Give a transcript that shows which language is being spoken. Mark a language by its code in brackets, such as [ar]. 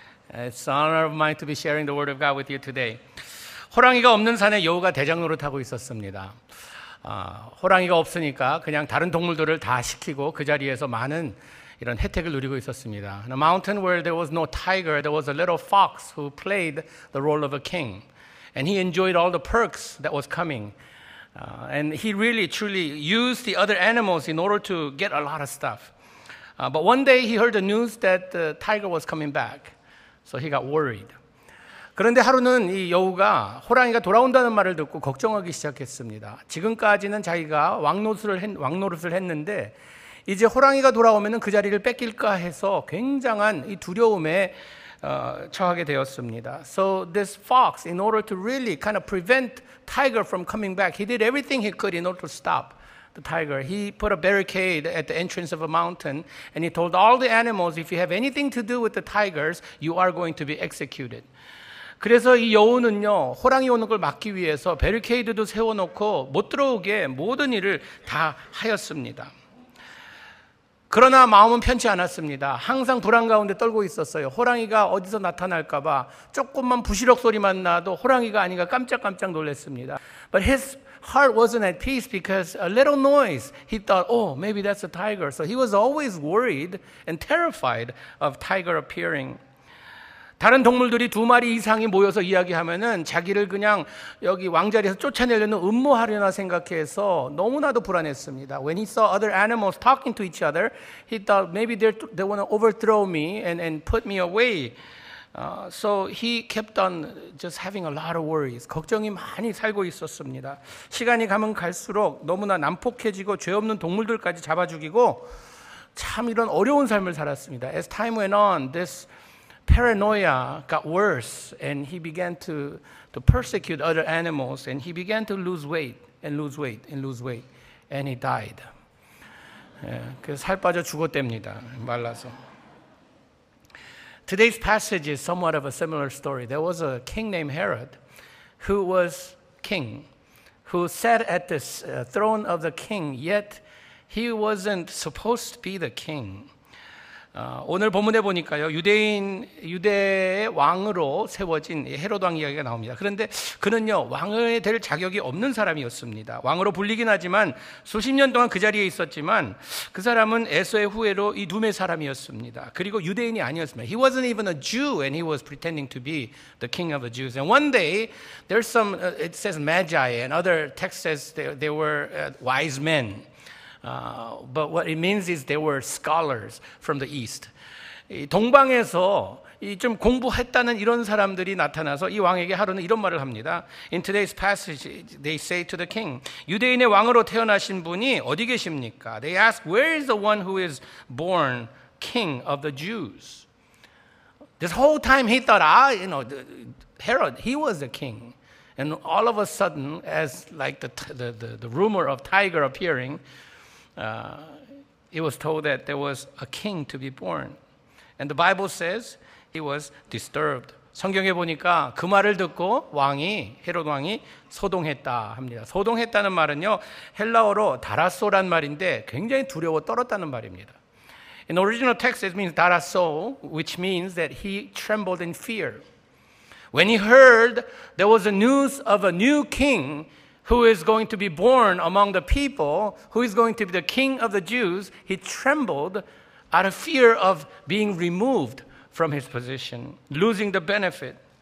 [en] It's an honor of mine to be sharing the word of God with you today. [ko] 호랑이가 없는 산에 여우가 대장 노릇하고 있었습니다. 호랑이가 없으니까 그냥 다른 동물들을 다 시키고 그 자리에서 많은 이런 혜택을 누리고 있었습니다. [en] In a mountain where there was no tiger, there was a little fox who played the role of a king. And he enjoyed all the perks that was coming. And he really truly used the other animals in order to get a lot of stuff. But one day he heard the news that the tiger was coming back. So he got worried. [ko] 그런데 하루는 이 여우가 호랑이가 돌아온다는 말을 듣고 걱정하기 시작했습니다. 지금까지는 자기가 왕노릇을 했는데 이제 호랑이가 돌아오면 그 자리를 뺏길까 해서 굉장한 이 두려움에 처하게 되었습니다. [en] So this fox, in order to really kind of prevent tiger from coming back, he did everything he could in order to stop the tiger. He put a barricade at the entrance of a mountain and he told all the animals, if you have anything to do with the tigers, you are going to be executed. [ko] 그래서 이 여우는요, 호랑이 오는 걸 막기 위해서 베리케이드도 세워놓고 못 들어오게 모든 일을 다 하였습니다. 그러나 마음은 편치 않았습니다. 항상 불안 가운데 떨고 있었어요. 호랑이가 어디서 나타날까봐 조금만 부시럭 소리만 나도 호랑이가 아닌가 깜짝깜짝 놀랐습니다. [en] But his heart wasn't at peace because a little noise, he thought, oh, maybe that's a tiger. So he was always worried and terrified of tiger appearing. [ko] 다른 동물들이 두 마리 이상이 모여서 이야기하면은 자기를 그냥 여기 왕자리에서 쫓아내려는 음모하려나 생각해서 너무나도 불안했습니다. [en] When he saw other animals talking to each other, he thought maybe they want to overthrow me and put me away. So he kept on just having a lot of worries. [ko] 걱정이 많이 살고 있었습니다. 시간이 가면 갈수록 너무나 난폭해지고 죄 없는 동물들까지 잡아 죽이고 참 이런 어려운 삶을 살았습니다. As time went on, this paranoia got worse and he began to persecute other animals and he began to lose weight and lose weight and lose weight and he died. 그래서 살 빠져 죽었답니다. 말라서. [en] Today's passage is somewhat of a similar story. There was a king named Herod who was king, who sat at the throne of the king, yet he wasn't supposed to be the king. [ko] 오늘 본문에 보니까요, 유대의 왕으로 세워진 헤롯 왕 이야기가 나옵니다. 그런데 그는요, 왕이 될 자격이 없는 사람이었습니다. 왕으로 불리긴 하지만 수십 년 동안 그 자리에 있었지만 그 사람은 에서의 후예로 이 둠의 사람이었습니다. 그리고 유대인이 아니었습니다. [en] He wasn't even a Jew and he was pretending to be the king of the Jews. And one day, there's some, it says magi and other texts says they were wise men. But what it means is they were scholars from the East. [ko] 동방에서 좀 공부했다는 이런 사람들이 나타나서 이 왕에게 하루는 이런 말을 합니다. [en] In today's passage, they say to the king, [ko] 유대인의 왕으로 태어나신 분이 어디 계십니까? [en] They ask, where is the one who is born king of the Jews? This whole time he thought, Herod, he was the king. And all of a sudden, as like the rumor of tiger appearing, it was told that there was a king to be born. And the Bible says he was disturbed. [ko] 성경에 보니까 그 말을 듣고 왕이, 헤롯 왕이 소동했다 합니다. 소동했다는 말은요, 헬라어로 다라소란 말인데 굉장히 두려워 떨었다는 말입니다. [en] In the original text, it means 다라소, which means that he trembled in fear. When he heard there was a news of a new king, who is going to be born among the people, who is going to be the king of the Jews, he trembled out of fear of being removed from his position, losing the benefit.